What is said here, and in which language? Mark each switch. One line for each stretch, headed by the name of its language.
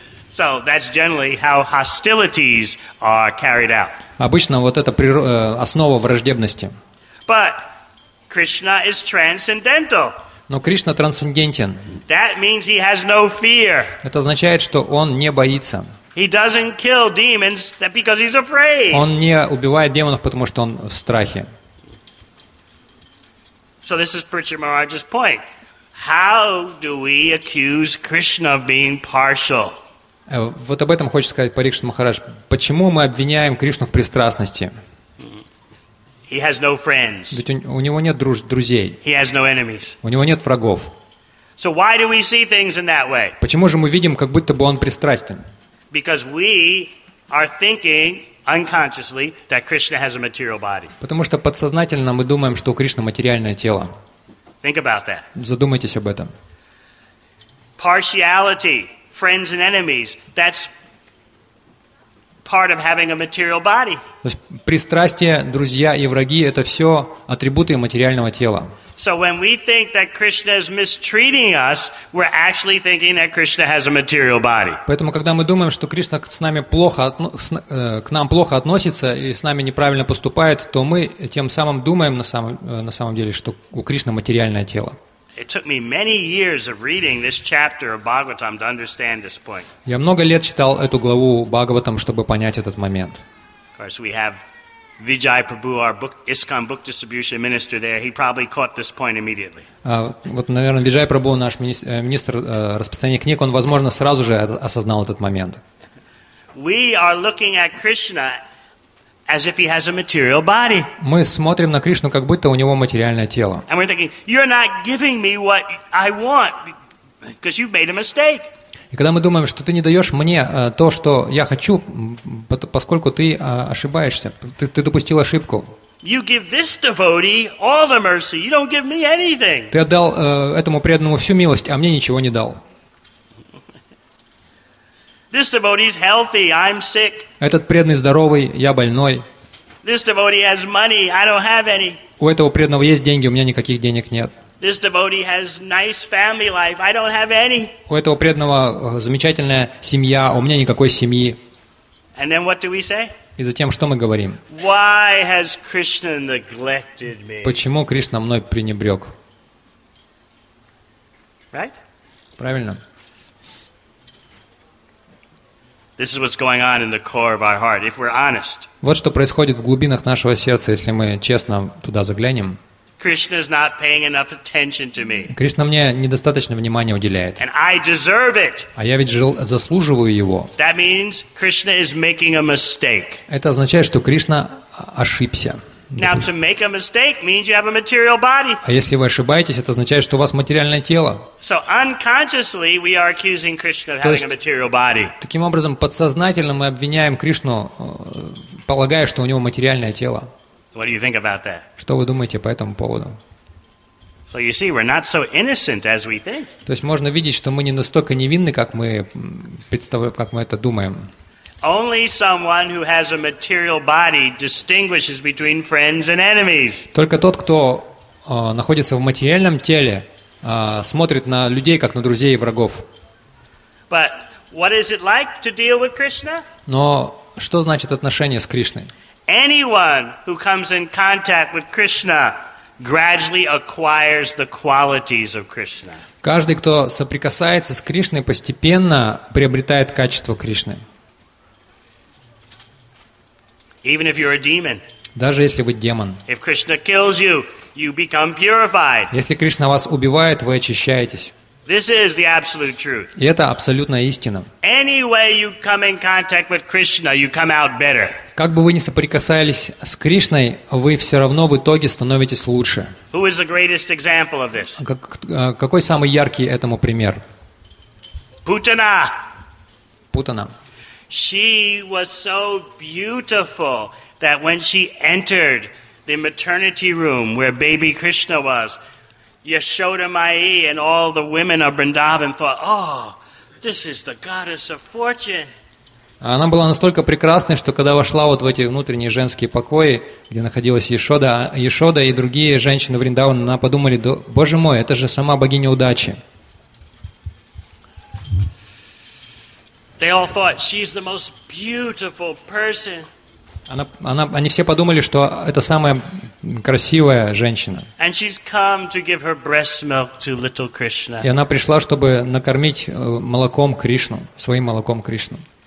English: So that's generally how hostilities are carried out.
Russian: Обычно вот это основа враждебности.
English: But Krishna is transcendental.
Russian: Но Кришна трансцендентен.
English: That means he has no fear.
Russian: Это означает, что он не боится.
English: He doesn't kill demons because he's afraid.
Russian: Он не убивает демонов, потому что он в страхе.
English: So this is Pritchard Maharaj's point. How do we accuse Krishna of being partial?
Russian: Вот об этом хочет сказать Парикшит Махарадж. Почему мы обвиняем Кришну в пристрастности?
English: He has no friends.
Russian: Ведь у него нет друзей.
English: He has no enemies.
Russian: У него нет врагов.
English: So why do we see things in that way?
Russian: Почему же мы видим, как будто бы он пристрастен?
English: Because we are thinking unconsciously that Krishna has a material body.
Russian: Потому что подсознательно мы думаем, что у Кришны материальное тело.
English: Think about that.
Russian: Задумайтесь об этом.
English: Partiality. Friends and enemies. That's part of having a material body.
Russian: То есть пристрастие, друзья и враги — это все атрибуты материального тела.
English: So when we think that Krishna is mistreating us, we're actually thinking that Krishna has a material body.
Russian: Поэтому когда мы думаем, что Кришна с нами плохо к нам плохо относится или с нами неправильно поступает, то мы тем самым думаем на самом деле, что у Кришны материальное тело.
English: It took me many years of reading this chapter of Bhagavatam to understand this point.
Russian: Я много лет читал эту главу Бхагаватам, чтобы понять этот момент.
English: Of course, we have Vijay Prabhu, our ISKCON book distribution minister there. He probably caught this point immediately.
Russian: Вот, наверное, Виджай Прабху, наш министр распространения книг, он, возможно, сразу же осознал этот момент.
English: We are looking at Krishna as if he has a material body.
Russian: Мы смотрим на Кришну, как будто у него материальное тело.
English: And we're thinking, you're not giving me what I want because you've made a mistake.
Russian: И когда мы думаем, что ты не даешь мне то, что я хочу, поскольку ты ошибаешься, ты допустил ошибку.
English: You give this devotee all the mercy, you don't give me anything.
Russian: Ты отдал этому преданному всю милость, а мне ничего не дал.
English: This devotee is healthy. I'm sick.
Russian: Этот преданный здоровый, я больной.
English: This devotee has money. I don't have any.
Russian: У этого преданного есть деньги, у меня никаких денег нет.
English: This devotee has nice family life. I don't have any.
Russian: У этого преданного замечательная семья, у меня никакой семьи.
English: And then what do we say?
Russian: И затем что мы говорим?
English: Why has Krishna neglected me?
Russian: Почему Кришна мной пренебрег?
English: Right?
Russian: Правильно.
English: This is what's going on in the core of our heart, if we're honest.
Russian: Вот что происходит в глубинах нашего сердца, если мы честно туда заглянем.
English: Krishna is not paying enough attention to me.
Russian: Кришна мне недостаточно внимания уделяет.
English: And I deserve it.
Russian: А я ведь заслуживаю его.
English: That means Krishna is making a mistake.
Russian: Это означает, что Кришна ошибся.
English: Now to make a mistake means you have a material body.
Russian: А если вы ошибаетесь, это означает, что у вас материальное тело.
English: So unconsciously we are accusing Krishna of having a material body.
Russian: Таким образом, подсознательно мы обвиняем Кришну, полагая, что у него материальное тело.
English: What do you think about that?
Russian: Что вы думаете по этому поводу?
English: So you see, we're not so innocent as we think.
Russian: То есть можно видеть, что мы не настолько невинны, как мы это думаем.
English: Only someone who has a material body distinguishes between friends and enemies.
Russian: Только тот, кто находится в материальном теле, смотрит на людей как на друзей и врагов.
English: But what is it like to deal with Krishna?
Russian: Но что значит отношение с Кришной?
English: Anyone who comes in contact with Krishna gradually acquires the qualities of Krishna.
Russian: Каждый, кто соприкасается с Кришной, постепенно приобретает качество Кришны.
English: Even if you're a demon.
Russian: Даже если вы демон.
English: If Krishna kills you, you become purified.
Russian: Если Кришна вас убивает, вы очищаетесь.
English: This is the absolute truth.
Russian: И это абсолютная истина.
English: Any way you come in contact with Krishna, you come out better.
Russian: Как бы вы ни соприкасались с Кришной, вы все равно в итоге становитесь лучше.
English: Who is the greatest example of this?
Russian: Какой самый яркий этому пример? Путана. Путана.
English: She was so beautiful that when she entered the maternity room where baby Krishna was, Yashoda Mai and all the women of Vrindavan thought, oh, this is the goddess of fortune.
Russian: Она была настолько прекрасной, что когда вошла вот в эти внутренние женские покои, где находилась Яшода и другие женщины Вриндавана, она подумали, боже мой, это же сама богиня удачи.
English: They all thought she's the most beautiful person.
Russian: Они все подумали, что это самая красивая женщина.
English: And she's come to give her breast milk to little Krishna.
Russian: И она пришла, чтобы накормить молоком Кришну, своим молоком Кришну.